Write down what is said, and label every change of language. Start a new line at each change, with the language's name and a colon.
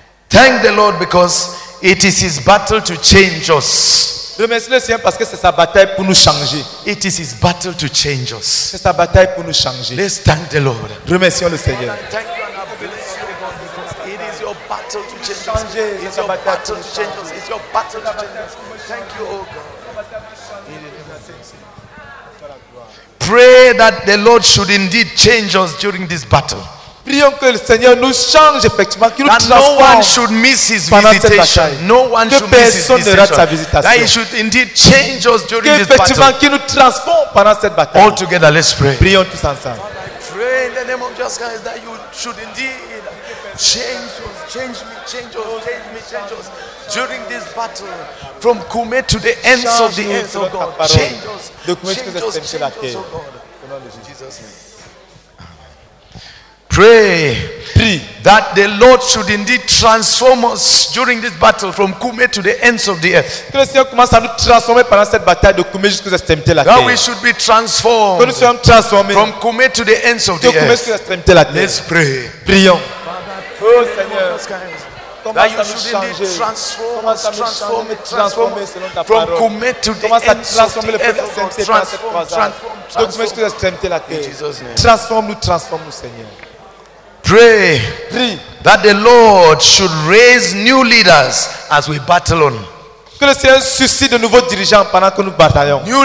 English: Thank the Lord because it is his battle to change us.
French: Remercie le Seigneur parce que c'est sa bataille pour nous changer.
English: It is his battle to change us.
French: C'est sa bataille pour nous changer.
English: Let's thank the Lord.
French: Remercions le Seigneur.
English: Thank you and I bless you because it is your battle to change us. It's your battle to change us. It's your battle to change us. Thank you, oh God. Pray that the Lord should indeed change us during this battle.
French: Prions que le Seigneur nous change effectivement, qu'il nous transforme.
English: No one should miss his visitation. No one should miss his visitation. That he should indeed change us during this battle.
French: Effectivement, qu'il nous transforme pendant cette bataille.
English: All together, let's pray.
French: Prions tous ensemble.
English: Pray in the name of Jesus Christ that you should indeed change us, change me, change us, change me, change us during this battle from Kume to the ends of the earth, oh God. Change us, change us, change us, change us, oh God. In Jesus' name. Pray that the Lord should indeed transform us during this battle from Kume to the ends of the earth.
French: Que le Seigneur commence à nous transformer pendant cette bataille de Kume jusqu'aux extrémités de la terre.
English: That we should be transformed.
French: Que nous soyons transformés.
English: From Kume to the ends of the earth.
French: De Kume jusqu'aux extrémités de la terre.
English: Let's pray.
French: Prions. Oh Seigneur.
English: That you should indeed transform us
French: Seigneur.
English: Pray that the Lord should raise new leaders as we battle on.
French: Que le Seigneur suscite de nouveaux dirigeants pendant que nous bataillons.